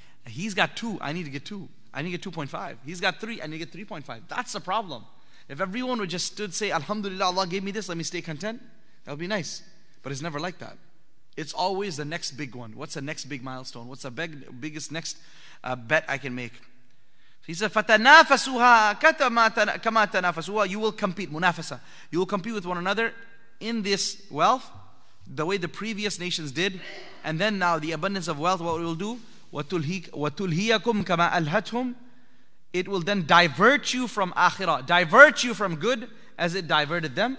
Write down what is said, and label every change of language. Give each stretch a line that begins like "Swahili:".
English: He's got two, I need to get two. I need to get 2.5. He's got three, I need to get 3.5. That's the problem. If everyone would just stood say, alhamdulillah, Allah gave me this, let me stay content, that would be nice. But it's never like that. It's always the next big one. What's the next big milestone? What's the biggest next bet I can make? He said,
Arabic: فَتَنَافَسُهَا كَمَا تَنَافَسُهَا.
English: You will compete, munafasa. You will compete with one another in this wealth the way the previous nations did. And then now the abundance of wealth, what it will do?
Arabic: وَتُلْهِيَكُمْ كَمَا أَلْهَتْهُمْ.
English: It will then divert you from akhirah, divert you from good as it diverted them.